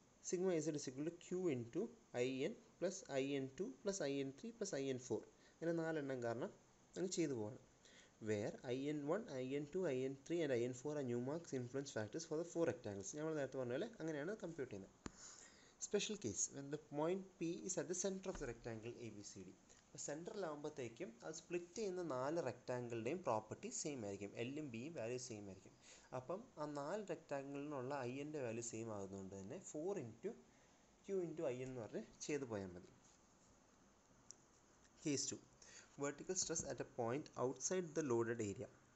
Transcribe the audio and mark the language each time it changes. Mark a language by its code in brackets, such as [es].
[en] Sigma Z is equal to Q in to I N plus I N 2 plus I N 3 plus I N 4. [ml] അങ്ങനെ 4 കാരണം അങ്ങ് ചെയ്തു പോവാണ്. [en] Where I N 1, I N 2, I N 3 and I N 4 ആ ന്യൂമാർക്സ് influence factors for the 4 rectangles. [ml] ഞങ്ങൾ നേരത്തെ പറഞ്ഞ പോലെ അങ്ങനെയാണ് കമ്പ്യൂട്ട് ചെയ്യുന്നത്. [en] special case when the point P is at the center of the rectangle ABCD. [ml] Center ലാവുമ്പോഴത്തേക്കും അത് split ചെയ്യുന്ന നാല് റെക്റ്റാങ്കിളുടെയും പ്രോപ്പർട്ടി സെയിം ആയിരിക്കും, എല്ലും ബിയും വാല്യൂ സെയിം ആയിരിക്കും. അപ്പം ആ നാല് റെക്റ്റാങ്കിളിനുള്ള ഐ എൻ്റെ വാല്യൂ സെയിം ആകുന്നതുകൊണ്ട് തന്നെ four into Q into I എന്ന് പറഞ്ഞ് ചെയ്ത് പോയാൽ മതി. [en] Case two, vertical stress at a point outside the loaded area.